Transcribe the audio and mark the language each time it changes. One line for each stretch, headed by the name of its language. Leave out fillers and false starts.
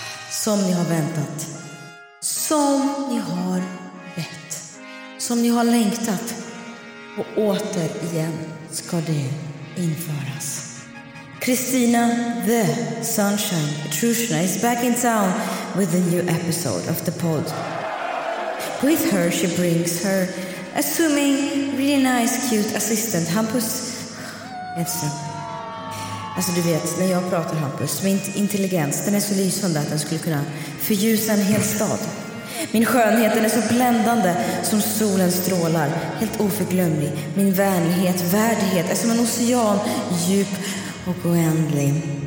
Swedish: Som ni har väntat. Som ni har bett. Som ni har längtat. Och återigen ska det införas.
English: Christina the Sunshine Petrushina is back in town with a new episode of the pod. With her she brings her assuming really nice cute assistant Hampus Edström.
Swedish: Alltså du vet, när jag pratar Hampus, min intelligens, den är så lysande att den skulle kunna förljusa en hel stad. Min skönhet, den är så bländande som solen strålar, helt oförglömlig. Min vänlighet, värdighet, är som en ocean, djup och oändlig.